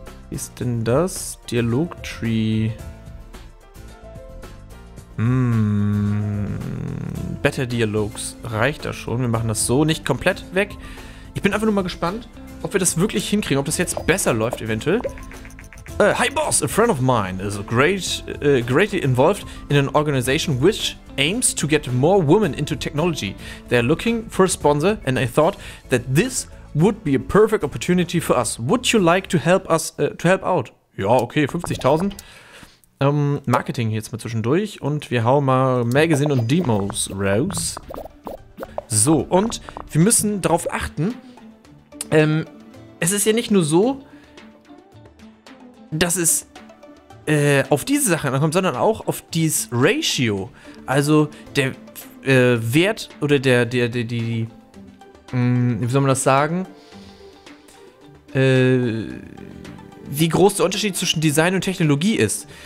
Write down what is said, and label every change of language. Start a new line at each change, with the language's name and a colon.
German: Wie ist denn das? Dialog Tree. Better Dialogs reicht da schon. Wir machen das so nicht komplett weg. Ich bin einfach nur mal gespannt, ob wir das wirklich hinkriegen, ob das jetzt besser läuft eventuell.
English: Hi Boss, a friend of mine is greatly involved in an organization which aims to get more women into technology. They're looking for a sponsor and I thought that this would be a perfect opportunity for us. Would you like to help us to help out?
German: Ja, okay, 50.000. Marketing jetzt mal zwischendurch und wir hauen mal Magazine und Demos raus. So, und wir müssen darauf achten, es ist ja nicht nur so, dass es auf diese Sachen ankommt, sondern auch auf dieses Ratio, also der Wert oder wie soll man das sagen, wie groß der Unterschied zwischen Design und Technologie ist.